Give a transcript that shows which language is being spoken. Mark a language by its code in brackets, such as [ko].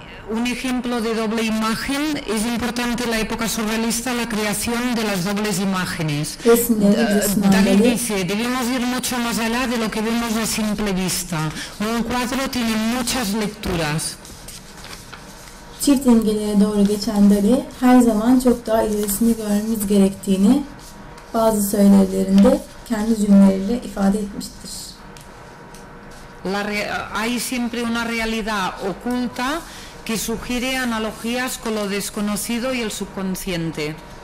[es] Un ejemplo de doble imagen es importante en la época surrealista la creación de las dobles imágenes. Dalí dice, debemos ir mucho más allá de lo que vemos a simple vista. Un cuadro tiene muchas lecturas. [tr] çift imgelere doğru geçen Dali her zaman çok daha ilerisini görmemiz gerektiğini bazı söylevlerinde kendi cümleleriyle ifade etmiştir. [es] Hay siempre una realidad oculta que sugiere analogías con lo desconocido y el subconsciente.